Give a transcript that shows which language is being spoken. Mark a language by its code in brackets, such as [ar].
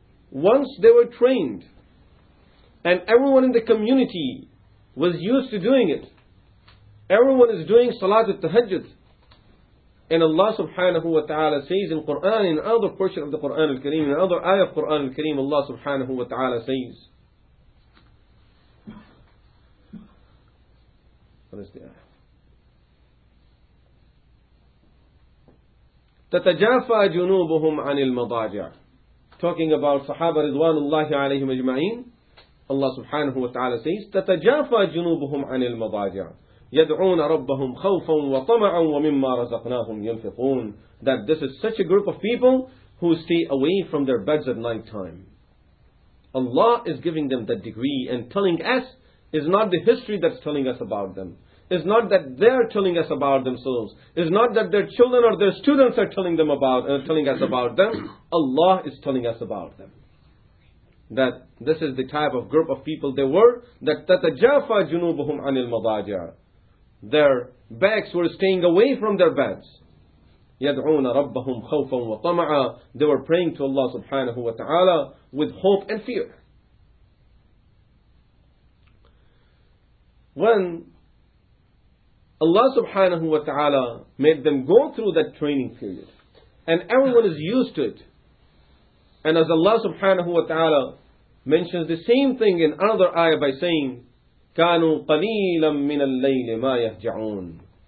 [en] Once they were trained, and everyone in the community was used to doing it, everyone is doing Salat al-Tahajjud, and Allah subhanahu wa ta'ala says in Quran, in other portion of the Quran al-Kareem, in other ayah of Quran al-Kareem, Allah subhanahu wa ta'ala says, what is the ayah? [ar] تَتَجَافَى جُنُوبُهُمْ عَنِ الْمَضَاجِعِ. [en] Talking about Sahaba Ridwanullahi alayhim ajma'in, Allah subhanahu wa ta'ala says, [ar] تَتَجَافَى جُنُوبُهُمْ عَنِ الْمَضَاجِعَ يَدْعُونَ رَبَّهُمْ خَوْفًا وَطَمَعًا وَمِمَّا رَزَقْنَاهُمْ يُنْفِقُونَ. [en] That this is such a group of people who stay away from their beds at night time. Allah is giving them that degree and telling us is not the history that's telling us about them. It's not that they're telling us about themselves. It's not that their children or their students are telling them about telling us about them. Allah is telling us about them. That this is the type of group of people they were. [ar] That تَتَجَافَى جُنُوبُهُمْ عَنِ الْمَضَاجِعَ. [en] Their backs were staying away from their beds. [ar] يَدْعُونَ رَبَّهُمْ خَوْفًا وَطَمَعًا. [en] They were praying to Allah subhanahu wa ta'ala with hope and fear. When Allah subhanahu wa ta'ala made them go through that training period, and everyone is used to it, and as Allah subhanahu wa ta'ala mentions the same thing in another ayah by saying, [ar] كَانُوا قَلِيلًا مِنَ اللَّيْلِ مَا يَهْجَعُونَ.